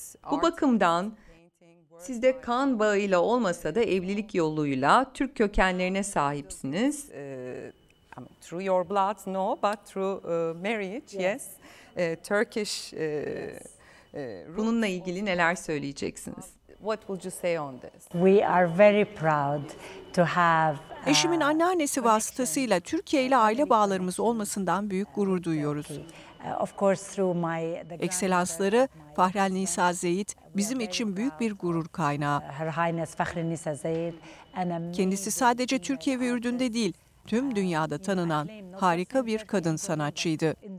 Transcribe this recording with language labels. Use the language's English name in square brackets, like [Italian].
[Turkish] Bu bakımdan sizde kan bağıyla olmasa da evlilik yoluyla Türk kökenlerine sahipsiniz. [English] Through your blood, no, but through marriage, yes. Turkish. [Turkish] Bununla ilgili neler söyleyeceksiniz? [English] What would you say on this? We are very proud to have. [Turkish] Eşimin anneannesi vasıtasıyla Türkiye ile aile bağlarımız olmasından büyük gurur duyuyoruz. [English] Of course through my [Turkish] Ekselansları Fahrülnisa Zeyd bizim için büyük bir gurur kaynağı. [English] Her Highness Fahrülnisa Zeyd. [Turkish] Kendisi sadece Türkiye ve Ürdün'de değil, tüm dünyada tanınan harika bir kadın sanatçıydı.